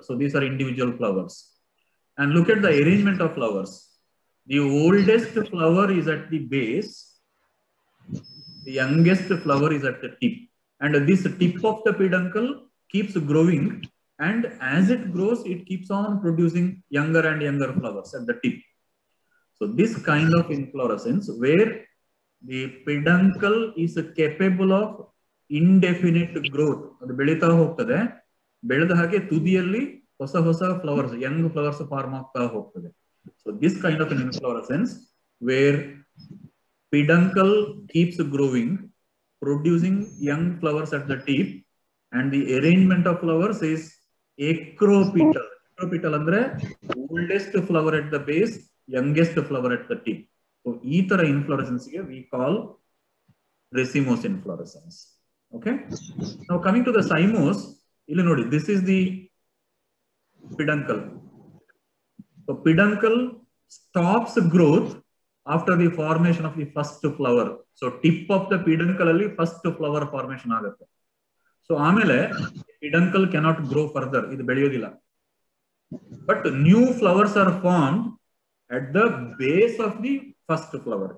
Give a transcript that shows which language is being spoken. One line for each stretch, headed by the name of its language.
English: So these are individual flowers, and look at the arrangement of flowers. The oldest flower is at the base, the youngest flower is at the tip, and this tip of the peduncle keeps growing, and as it grows it keeps on producing younger and younger flowers at the tip. So this kind of inflorescence where the peduncle is capable of indefinite growth,
Kannada: ಅದು ಬೆಳೀತಾ ಹೋಗ್ತದೆ, ಬೆಳೆದ ಹಾಗೆ ತುದಿಯಲ್ಲಿ ಹೊಸ ಹೊಸ flowers, Young flowers form ಆಗ್ತಾ ಹೋಗ್ತದೆ.
English: So this kind of inflorescence where peduncle keeps growing producing young flowers at the tip and the arrangement of flowers is acropetal. Acropetal
Kannada: ಅಂದ್ರೆ
English: Oldest flower at the base, youngest flower at the tip. So
Kannada: ಈ ತರ
English: Inflorescence ಗೆ we call racemose inflorescence. Okay,
Kannada: ನಾವ್
English: Coming to the cymose.
Kannada: ಇಲ್ಲಿ ನೋಡಿ,
English: This is the peduncle. So peduncle stops growth after the formation of the first flower. So tip of the peduncle
Kannada: alli
English: first flower formation
Kannada: agutte.
English: So amele peduncle cannot grow further,
Kannada: idu beliyodilla,
English: but new flowers are formed at the base of the first flower.